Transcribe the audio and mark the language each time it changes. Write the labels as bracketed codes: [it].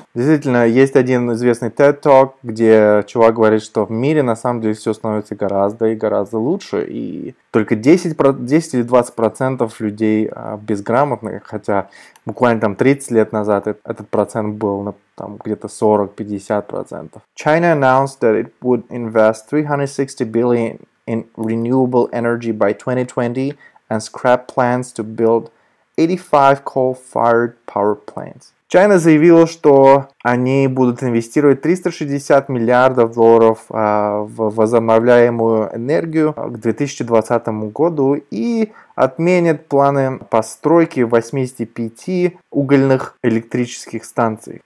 [ru] Действительно, есть один известный TED Talk, где чувак говорит, что в мире на самом деле все становится гораздо и гораздо лучше, и только 10 или 20% людей безграмотных, хотя буквально там 30 лет назад этот процент был там где-то 40-50%. [en] China announced that it would invest $360 billion in renewable energy by 2020 and scrap plans to build 85 coal-fired power plants. [ru] China заявила, что они будут инвестировать 360 миллиардов долларов в возобновляемую энергию к 2020 году и отменит планы постройки 85 угольных электрических станций.